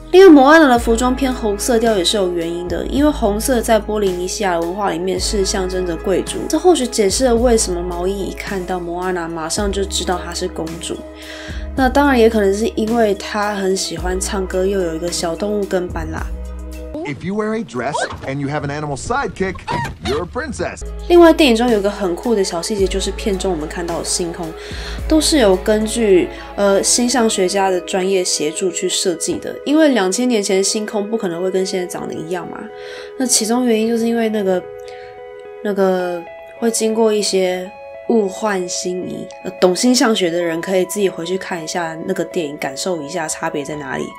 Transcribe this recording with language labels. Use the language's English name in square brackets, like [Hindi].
[Chinese] 因为摩安娜的服装偏红色调也是有原因的，因为红色在波利尼西亚文化里面是象征着贵族，这或许解释了为什么毛衣一看到摩安娜马上就知道她是公主。那当然也可能是因为她很喜欢唱歌，又有一个小动物跟班啦。 [English] If you wear a dress and you have an animal sidekick, you're a princess. [Chinese] 另外，电影中有一个很酷的小细节，就是片中我们看到的星空，都是有根据星象学家的专业协助去设计的。因为2000年前星空不可能会跟现在长得一样嘛。那其中原因就是因为那个会经过一些物换星移，懂星象学的人可以自己回去看一下那个电影，感受一下差别在哪里。